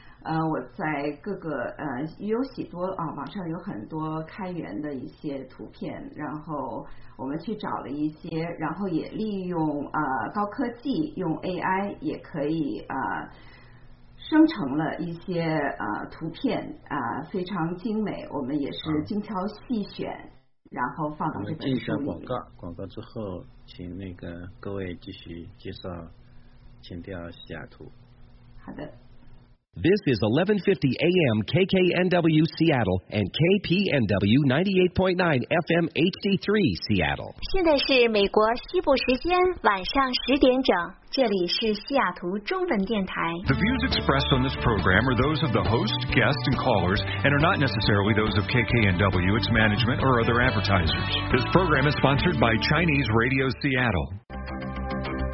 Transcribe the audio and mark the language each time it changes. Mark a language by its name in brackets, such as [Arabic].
[Chinese] 我在各个有许多网上有很多开源的一些图片，然后我们去找了一些，然后也利用高科技，用 AI 也可以生成了一些图片非常精美，我们也是精挑细选，然后放到这本书里。我们进一下广告之后，请那个各位继续介绍情调西雅图。好的。 [English] This is 1150 AM KKNW Seattle and KPNW 98.9 FM HD3 Seattle. [Chinese] 现在是美国西部时间晚上十点整，这里是西雅图中文电台。 [English] The views expressed on this program are those of the host, guests, and callers, and are not necessarily those of KKNW, its management, or other advertisers. This program is sponsored by Chinese Radio Seattle.